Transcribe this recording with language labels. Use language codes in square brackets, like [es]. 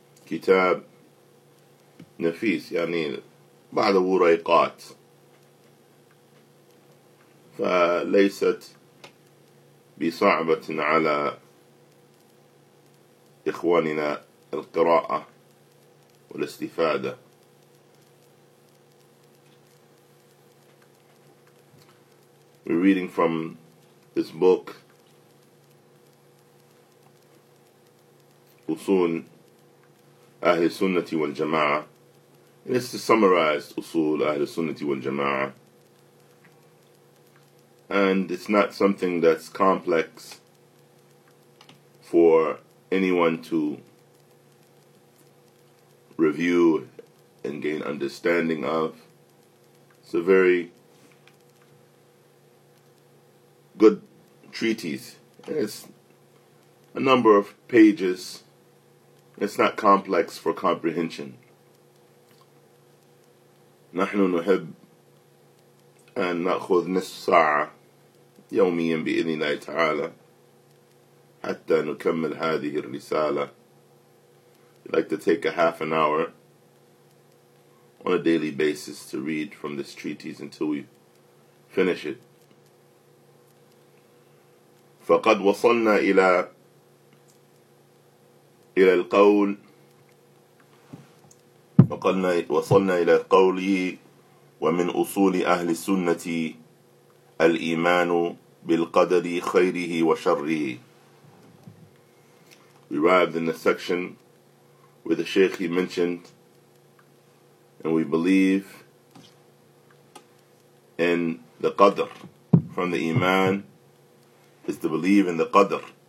[ar] كتاب نفيس، يعني بعض وريقات، فليست بصعبة على إخواننا القراءة والاستفادة. [en] We're reading from this book أصول أهل السنة والجماعة. It's to summarize Usul Ahl Sunnati wal Jama'ah. And it's not something that's complex for anyone to review and gain understanding of. It's a very good treatise. It's a number of pages. It's not complex for comprehension. [ar] نحن نحب أن نأخذ نصف ساعة يوميا بإذن الله تعالى حتى نكمل هذه الرسالة. [en] We'd like to take a half an hour on a daily basis to read from this treatise until we finish it. [ar] فقد وصلنا إلى القول، وقلنا وصلنا إلى قوله: ومن أصول أهل السنة الإيمان بالقدر خيره وشره. [en] We arrived in the section where the Shaykh he mentioned, and we believe in the Qadr. From the Iman is to believe in the Qadr.